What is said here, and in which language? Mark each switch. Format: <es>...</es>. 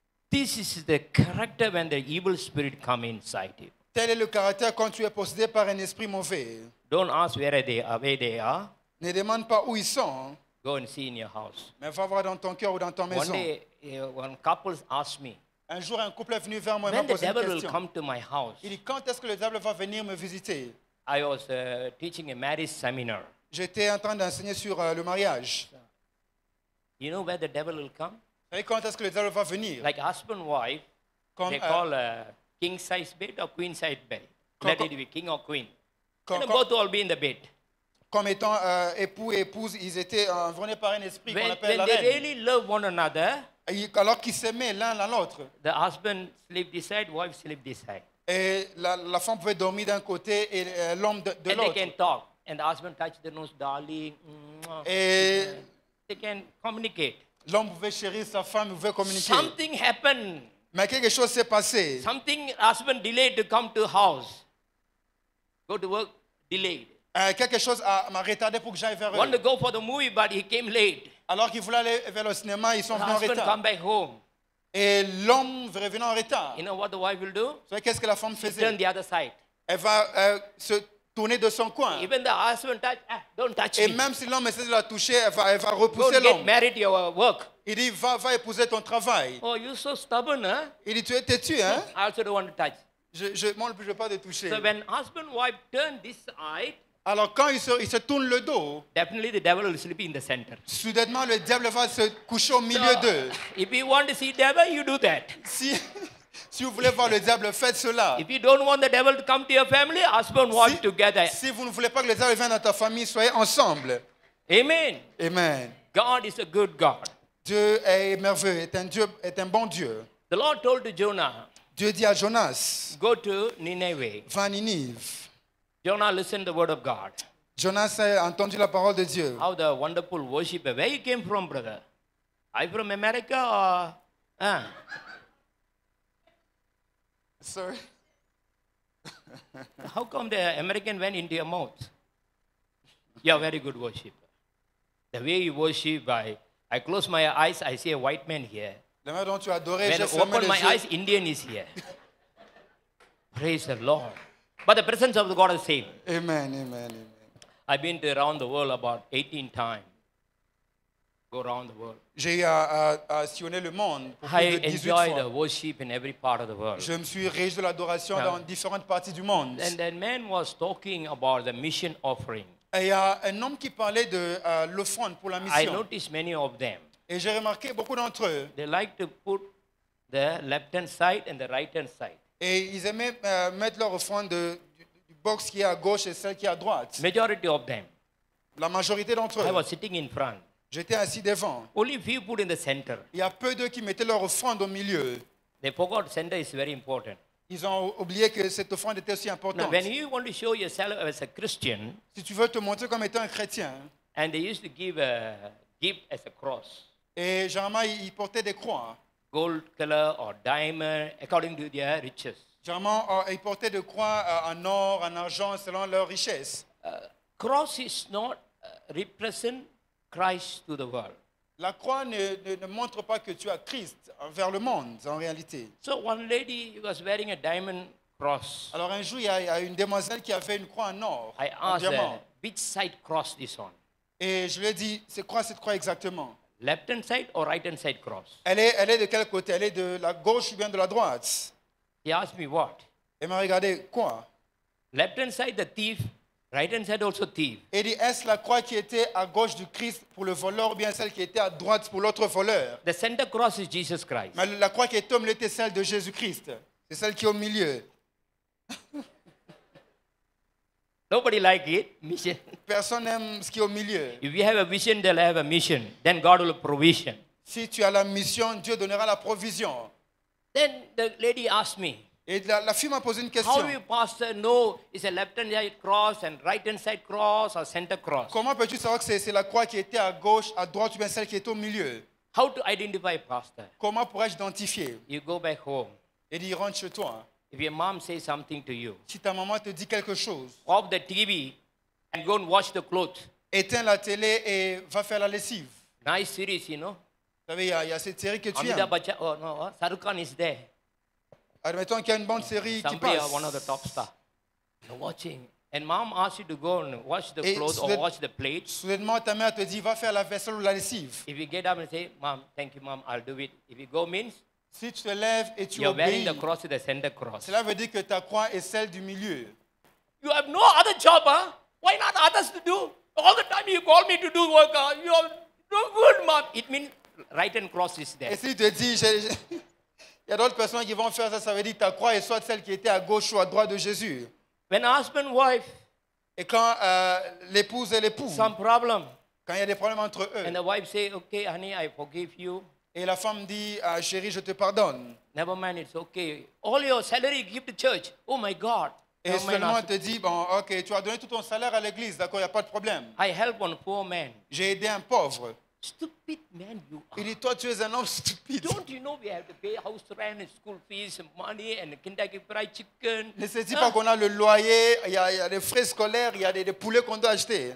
<en>This is the character when the evil spirit come inside you.</en> <fr>Tel est le caractère quand tu es possédé par un esprit mauvais.</fr> <en>Don't ask where they are.</en> <fr>Ne demande pas où ils sont.</fr> <en>Go and see in your house.</en> <fr>Mais va voir dans ton cœur ou dans ta maison.</fr> <en>One day, when couples ask me.</en> <fr>Un jour, un couple est venu vers moi et m'a posé une question.</fr> <en>When the devil will come to my house.</en> <fr>Il dit, quand est-ce que le diable va venir me visiter?</fr> <en>I was teaching a marriage seminar.</en> <fr>J'étais en train d'enseigner sur le mariage.</fr> <en>You know where the devil will come?</en> <fr>Et quand est-ce que le diable va venir?</fr> <en>Like husband wife, comme, they call a king size bed or queen size bed. Let it be king or queen. Both all be in the bed.</en> <fr>Comme étant époux et épouse, ils étaient environnés par un esprit qu'on appelle la reine.</fr> <en>When they really love one another,</en> <fr>alors qu'ils s'aimaient l'un à l'autre.</fr> <en>The husband sleep this side, wife sleep this side.</en> <fr>Et la femme pouvait dormir d'un côté et l'homme de</fr> <en>and</en> <fr>l'autre.</fr> <en>They can talk, and the husband touch the nose, darling. They can communicate.</en> <fr>L'homme pouvait chérir sa femme, pouvait communiquer.</fr> <en>Something happened.</en> <fr>Mais quelque chose s'est passé.</fr> <en>Something husband delayed to come to house. Go to work, delayed.</en> <fr>Quelque chose m'a retardé pour que j'aille vers eux.</fr> <en>Want to go for the movie, but he came late.</en> <fr>Alors qu'il voulait aller vers le cinéma, ils sont</fr> <en>the</en> <fr>venus en retard.</fr> <en>Come back home.</en> <fr>Et l'homme revenait en retard.</fr> <en>You know what the wife will do?</en> <fr>Vous savez qu'est-ce que la femme faisait?</fr> <en>She turned the other side.</en> <fr>elle va se tourner de son coin.</fr> <en>Even the husband touch, don't touch</en> <fr>Et même si l'homme essaie de la toucher, elle va repousser</fr> <en>don't</en> <fr>l'homme.</fr> <en>Get married your work.</en> <fr>Il dit, va épouser ton travail.</fr> <en>Oh, you're so stubborn, hein?</en> <fr>Il dit, tu es têtu, hein?</fr> <en>I also don't want to touch.</en> <fr>Moi, je ne veux pas te toucher.</fr> <en>So when husband wife turn this eye,</en> <fr>alors quand il se tourne le dos,</fr> <en>definitely the devil will sleep in the center.</en> <fr>Soudainement, le diable va se coucher au milieu</fr> <en>so,</en> <fr>d'eux.</fr> <en>If you want to see devil, you do that.</en> <fr>Si vous voulez voir le diable, faites cela.</fr> <en>If you don't want the devil to come to your family, husband wife together.</en> <fr>Si vous ne voulez pas que le diable vienne dans ta famille, soyez ensemble.</fr> <en>Amen.</en> <fr>Amen.</fr> <en>God is a good God.</en> <fr>Dieu est merveilleux, est un bon Dieu.</fr> <en>The Lord told to Jonah.</en> <fr>Dieu dit à Jonas.</fr> <en>Go to Nineveh.</en> <fr>Va à Ninive.</fr> <en>Jonah listened to the word of God.</en> <fr>Jonas a entendu la parole de Dieu.</fr> <en>How the wonderful worship. Where you came from, brother? Are you from America or? Sorry. How come the American went into your mouth? You're very good worshiper. The way you worship, I close my eyes, I see a white man here.</en> <fr>La manière dont tu adorais,</fr> <en>when I open my eyes, Indian is here. Praise the Lord. But the presence of God is the same. Amen, amen, amen. I've been around the world about 18 times. Go around the world.</en> <fr>J'ai sillonné le monde pour plus de 18 fois.</fr> <en>I enjoy the worship in every part of the world.</en> <fr>Je me suis réjoui de l'adoration dans différentes parties du monde.</fr> <en>And that man was talking about the mission offering.</en> <fr>Et il y a un homme qui parlait de l'offrande pour la mission.</fr> <en>I noticed many of them.</en> <fr>Et j'ai remarqué beaucoup d'entre eux.</fr> <en>They like to put the left hand side and the right hand side.</en> <fr>Et ils aimaient mettre leur offrande du box qui est à gauche et celle qui est à droite.</fr> <en>Majority of them.</en> <fr>La majorité d'entre eux.</fr> <en>I was sitting in front.</en> <fr>J'étais assis devant.</fr> <en>Only few put in the center.</en> <fr>Il y a peu d'eux qui mettaient leur offrande au milieu.</fr> <en>They forgot center is very important.</en> <fr>Ils ont oublié que cette offrande était aussi importante.</fr> <en>Now, when you want to show yourself as a Christian,</en> <fr>si tu veux te montrer comme étant un chrétien,</fr> <en>and they used to give a gift as a cross.</en> <fr>Et généralement, ils portaient des croix.</fr> <en>Gold color or diamond according to their riches.</en> <fr>Généralement, ils portaient des croix en or, en argent, selon leur richesse.</fr> <en>Cross is not represent Christ to the world.</en> <fr>La croix ne montre pas que tu as Christ envers le monde, en réalité.</fr> <en>So one lady was wearing a diamond cross.</en> <fr>Alors un jour, il y a une demoiselle qui avait une croix en or,</fr> <en>I asked her, which side cross this on?</en> <fr>Et je lui ai dit, c'est quoi cette croix exactement?</fr> <en>Left-hand side or right-hand side cross?</en> <fr>Elle est de quel côté? Elle est de la gauche ou bien de la droite?</fr> <en>He asked me what?</en> <fr>Elle m'a regardé, quoi?</fr> <en>Left-hand side, the thief. Right-hand side, also thief.</en> <fr>Et dit, est-ce la croix qui était à gauche du Christ pour le voleur ou bien celle qui était à droite pour l'autre voleur? The center cross is Jesus Christ. Mais la croix qui est au milieu était celle de Jésus-Christ. C'est celle qui est au milieu.</fr> <en>Nobody like it. Mission.</en> <fr>Personne n'aime ce qui est au milieu.</fr> <en>If you have a vision, they'll have a mission. Then God will provision.</en> <fr>Si tu as la mission, Dieu donnera la provision.</fr> <en>Then the lady asked me.</en> <fr>Et la fille m'a posé une question.</fr> <en>How do you, pastor, know it's a left-hand side cross and right-hand side cross or center cross?</en> <fr>Comment peux-tu savoir que c'est la croix qui était à gauche, à droite ou bien celle qui est au milieu?</fr> <en>How to identify, pastor?</en> <fr>Comment pourrais-je identifier?</fr> <en>You go back home.</en> <fr>Et il rentre chez toi.</fr> <en>If your mom says something to you,</en> <fr>si ta maman te dit quelque chose,</fr> <en>off the TV and go and wash the clothes.</en> <fr>Éteins la télé et va faire la lessive.</fr> <en>Nice series, you know.</en> <fr>Tu sais, il y a cette série que tu aimes.</fr> <en>Shahrukh Khan is there.</en> <fr>Admettons qu'il y a une bonne série</fr> <en>Somebody</en> <fr>qui passe.</fr> <en>Are one of the top stars. You're watching. And mom asks you to go and wash the clothes or wash the plate.</en> <fr>Soudainement, ta mère te dit, va faire la vaisselle ou la lessive.</fr> <en>If you get up and say, mom, thank you, mom, I'll do it. If you go, means.</en> <fr>Si tu te lèves et tu</fr> <en>You're</en> <fr>obéis,</fr> <en>wearing the cross to the center cross.</en> <fr>Cela veut dire que ta croix est celle du milieu.</fr> <en>You have no other job, huh? Why not others to do? All the time you call me to do work, you're no good, mom. It means right hand cross is there.</en> <fr>Et si tu te dis, il y a d'autres personnes qui vont faire ça, ça veut dire ta croix est soit celle qui était à gauche ou à droite de Jésus.</fr> <en>When husband wife,</en> <fr>et quand l'épouse et l'époux,</fr> <en>some problem,</en> <fr>quand il y a des problèmes entre eux,</fr> <en>and the wife say, okay, honey, I forgive you.</en> <fr>Et la femme dit, chérie, je te pardonne.</fr> <en>Never mind, it's okay. All your salary give to church. Oh my God.</en> <fr>Et seulement te dit, bon, ok, tu as donné tout ton salaire à l'église, d'accord, il n'y a pas de problème.</fr> <en>I help one poor man.</en> <fr>J'ai aidé un pauvre.</fr> <en>Stupid man you are.</en> <fr>Il dit, toi, tu es un homme stupide.</fr> <en>Don't you know we have to pay house rent, school fees, money, and Kentucky Fried Chicken?</en> <fr>Ne se dit pas qu'on a le loyer, il y a les frais scolaires, il y a des poulets qu'on doit acheter.</fr>